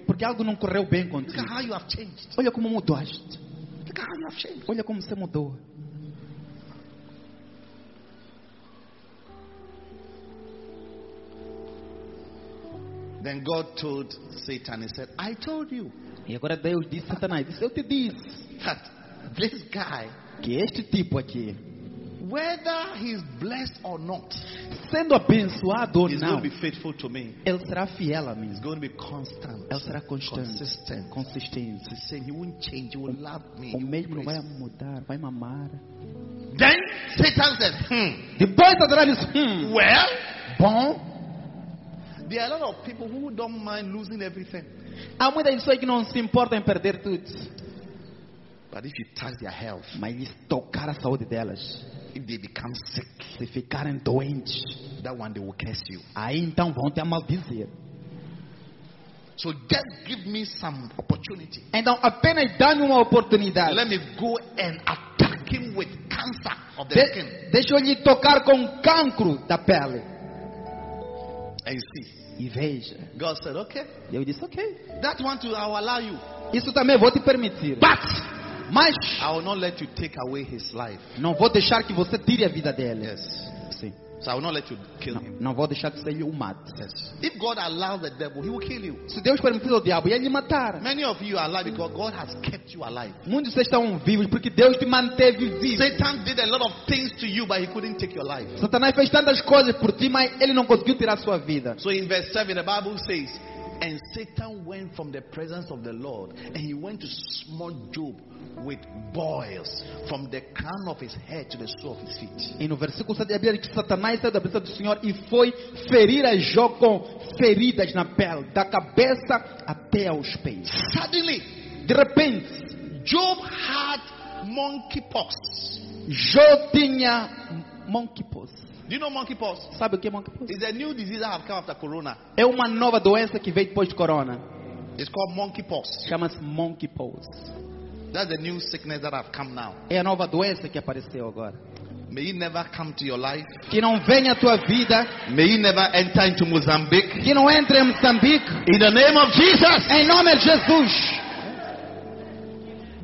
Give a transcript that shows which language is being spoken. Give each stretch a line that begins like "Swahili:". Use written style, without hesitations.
Portuguese: Porque algo não correu bem contigo.
English: Look at how you have changed.
Portuguese: Olha como mudaste.
English: Look at how you have changed.
Portuguese: Olha como você mudou.
English: Then God told Satan, he said, I told you.
Portuguese: E agora Deus disse a Satanás, eu te disse.
English: That this guy,
Portuguese: que este tipo aqui,
English: whether he's blessed or not,
Portuguese: sendo abençoado ou não,
English: he's going to be faithful to me.
Portuguese: Ele será fiel a mim.
English: He's going to be constant.
Portuguese: Ele será constante.
English: Consistent.
Portuguese: Consistente.
English: He's saying he won't change. He will love me.
Portuguese: O mesmo vai mudar, vai me amar.
English: Then Satan says, The boy Satan is, Well,
Portuguese: bom.
English: There are a lot of people who don't mind losing everything.
Portuguese: Há muita pessoa que não se importa em perder tudo.
English: But if you touch their health,
Portuguese: mas se tocar a saúde delas,
English: if they become sick,
Portuguese: se ficarem doentes,
English: that one they will curse you.
Portuguese: Aí então vão te amaldizer.
English: So just give me some opportunity.
Portuguese: Então apenas dá-me uma oportunidade.
English: Let me go and attack him with cancer of the skin.
Portuguese: Deixa eu lhe tocar com cancro da pele.
English: And you see.
Portuguese: E veja.
English: God said, okay.
Portuguese: E eu disse, okay.
English: That one too, I will allow you.
Portuguese: Isso também vou te permitir.
English: But
Portuguese: mas
English: I will not let you take away his life.
Portuguese: Não vou deixar que você tire a vida dele.
English: Yes.
Portuguese: Sim.
English: So I will not let you kill
Portuguese: não,
English: him.
Portuguese: Não vou deixar que você o mate.
English: Yes. If God allows the devil, he will kill you.
Portuguese: Se Deus permitir o diabo, ele lhe matar.
English: Many of you are alive because God has kept you alive.
Portuguese: Muitos estão vivos porque Deus te manteve vivo.
English: Satan did a lot of things to you, but he couldn't take your life.
Portuguese: Satanás fez tantas coisas por ti, mas ele não conseguiu tirar a sua vida.
English: So in verse 7 the Bible says, and Satan went from the presence of the Lord, and he went to smite Job with boils from the crown of his head to the sole of his feet.
Portuguese: E no versículo 7 a Bíblia diz que Satanás saiu da presença do Senhor e foi ferir a Jó com feridas na pele, da cabeça até aos pés.
English: Suddenly,
Portuguese: de repente,
English: Job had monkeypox.
Portuguese: Jó tinha monkeypox.
English: Do you know monkeypox?
Portuguese: Sabe o que é monkeypox?
English: It's a new disease that have come after corona.
Portuguese: É uma nova doença que veio depois de corona.
English: It's called monkeypox.
Portuguese: Chama-se monkeypox.
English: That's the new sickness that have come now.
Portuguese: É a nova doença que apareceu agora.
English: May it never come to your life.
Portuguese: Que não venha à tua vida.
English: May it never enter into Mozambique.
Portuguese: Que não entre em Moçambique.
English: In the name of Jesus.
Portuguese: Em nome de Jesus.